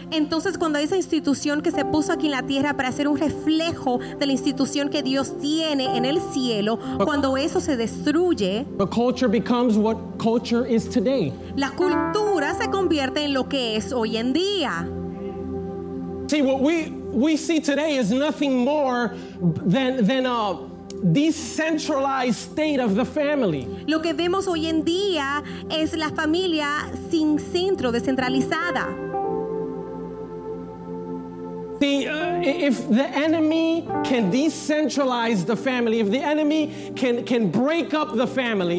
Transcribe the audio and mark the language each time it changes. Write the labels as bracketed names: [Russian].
[Spanish] Entonces, cuando esa institución que se puso aquí en la tierra para hacer un reflejo de la institución que Dios tiene en el cielo, cuando eso se destruye, [English] the culture becomes what culture is today. [Spanish] La cultura se convierte en lo que es hoy en día. [English] See, what we see today is nothing more than a decentralized state of the family. [Spanish] Lo que vemos hoy en día es la familia sin centro, descentralizada. [English] See, if the enemy can decentralize the family, if the enemy can break up the family,